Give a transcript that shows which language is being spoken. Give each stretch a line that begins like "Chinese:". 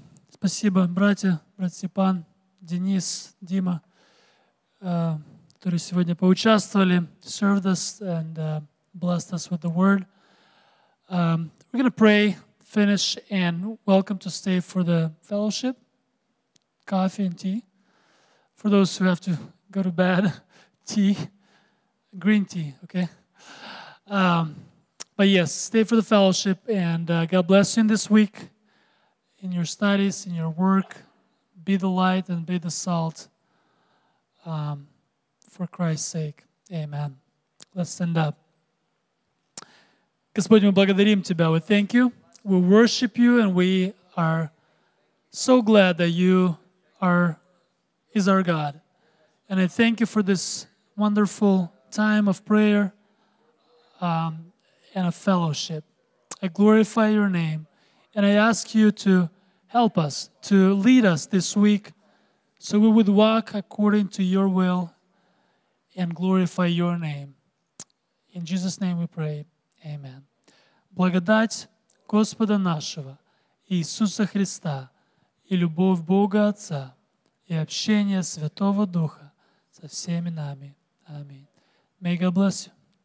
Russian: Спасибо, братья, брат Степан, Денис, Дима, которые сегодня поучаствовали,
English: served us and blessed us with the word. We're going to pray, finish, and welcome to stay for the fellowship, coffee and tea. For those who have to go to bed, tea, green tea, okay? But yes, stay for the fellowship, and God bless you in this week, in your studies, in your work. Be the light and be the salt, for Christ's sake. Amen. Let's stand up.
Russian: Господь, мы благодарим Тебя.
English: We thank You. We worship You, and we are so glad that You are is our God. And I thank You for this wonderful time of prayer and a fellowship. I glorify Your name, and I ask You to help us, to lead us this week, so we would walk according to Your will and glorify Your name. In Jesus' name we pray. Amen.
Russian: Благодать Господа нашего Иисуса Христа и любовь Бога Отца и общение Святого Духа со всеми нами. Аминь.
English: May God bless you.